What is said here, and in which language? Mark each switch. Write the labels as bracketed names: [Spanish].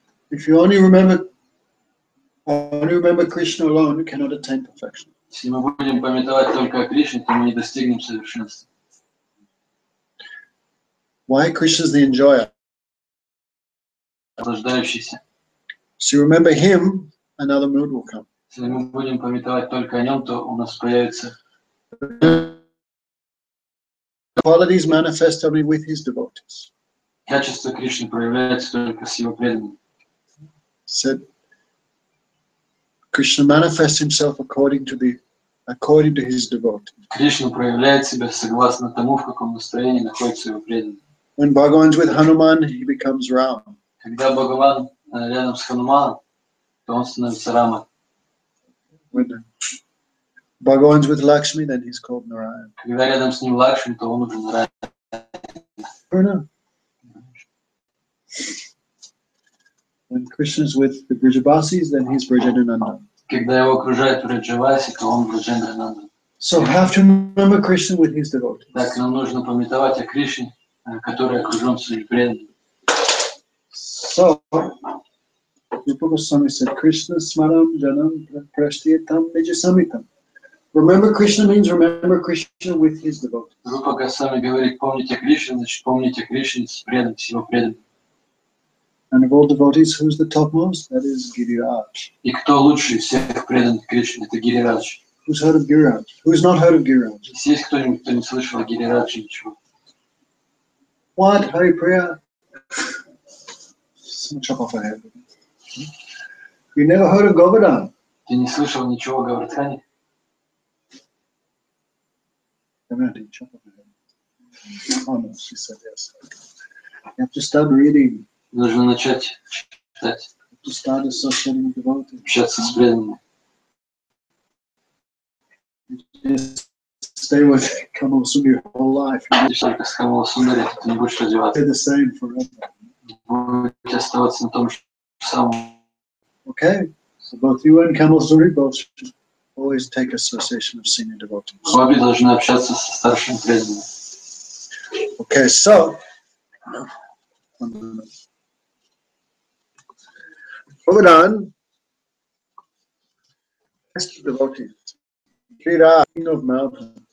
[English] If you only remember Krishna alone, you cannot attain perfection. [Russian] Если мы будем памятовать только о Кришне, то мы не достигнем совершенства. [English] Why Krishna is the enjoyer? [Russian] Наслаждающийся. [English] So you remember him, another mood will come. [Russian] Если мы будем памятовать только о нем, то у нас появится. [English] Qualities manifest only with his devotees. [Russian] Качество Кришны проявляется только с его преданными. [English] Said Krishna manifests himself according to his devotees. [Russian] Кришна проявляет себя согласно тому, в каком настроении находится его преданный. [English] When Bhagavan's with Hanuman, he becomes Rama. [Russian] Когда Бхагаван рядом с Хануманом, то он становится Рама. [English] When Bhagavan's with Lakshmi, then he's called Narayan. [Russian] Когда рядом с ним Лакшми, то он уже Нараян. [English] When Krishna's with the Vrijabhasis, then he's Vrijananda. [Russian] Когда его окружает Вриджабаси, то он Вриджананда. [English] So we have to remember Krishna with his devotees. [Russian] Так нам нужно памятовать о Кришне, который окружен своими преданными. [English] So, Rupa Goswami said, [Sanskrit] Krishna smaram janam prashtiyatam nijasamitam. [English] Remember Krishna means remember Krishna with his devotees. [Russian] Rupa Goswami говорит, помните Кришну, значит помните Кришну с преданным, всего преданным. [English] And of all devotees, who's the topmost? That is Гирирадж. [Russian] И кто лучше всех преданных Кришне? Это Гирирадж. [English] Who's heard of Гирирадж? Who's not heard of Гирирадж? [Russian] Здесь есть кто-нибудь, кто не слышал о Гирирадже ничего? [English] What? Hare Priya? Chop off our head. You never heard of Goverdan? [Russian] Ты не слышал ничего о Говардхане? [English] You have to start reading. [Russian] Нужно начать читать. [English] You have to start associating with devotees. [Russian] Общаться с преданными. [English] Just stay with Kamala Sundari your whole life. [Russian] Будешь только с Kamala Sundari, ты не будешь развиваться. [English] Stay the same forever. [Russian] Будете оставаться на том же самом. [English] Okay. So both you and Kamala Sundari both always take association of senior devotees. [Russian] Обе должны общаться со старшим преданным. [English] Okay, so Govardhan has two devotees. Kira, king of mountains.